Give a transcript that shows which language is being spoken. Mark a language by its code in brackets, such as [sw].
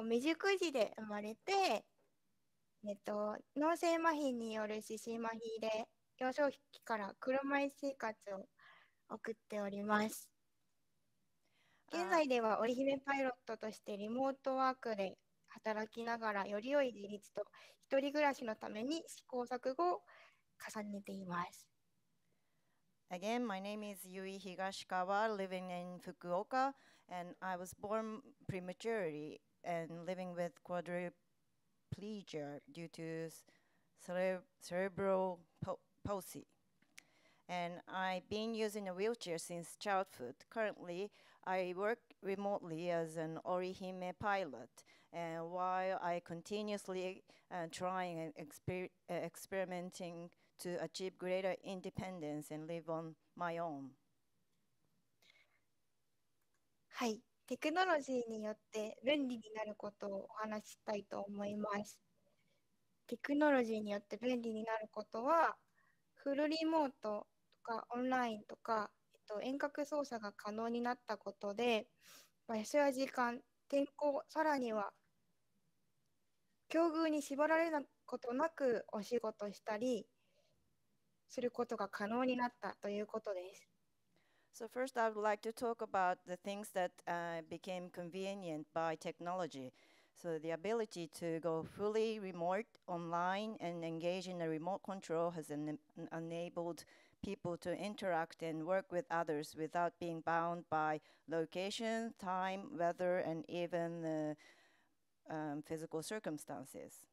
[ja] 未熟児で生まれて、脳性麻痺による四肢麻痺で幼少期から車椅子生活を送っております。現在では織姫パイロットとしてリモートワークで働きながら、より良い自立と一人暮らしのために試行錯誤を重ねています。 [en] Again, my name is Yui Higashikawa, living in Fukuoka, and I was born prematurely and living with quadriplegia due to cerebral palsy. And I've been using a wheelchair since childhood. Currently, I work remotely as an Orihime pilot, and while I continuously trying and experimenting to achieve greater independence and live on my own. [ja] はい、テクノロジーによって便利になることをお話したいと思います。テクノロジーによって便利になることは、フルリモートとかオンラインとか、遠隔操作が可能になったことで、場所や時間、天候、さらには境遇に縛られることなくお仕事したり、することが可能になったということです。 [en] So first I would like to talk about the things that became convenient by technology. So the ability to go fully remote online and engage in a remote control has enabled people to interact and work with others without being bound by location, time, weather, and even physical circumstances.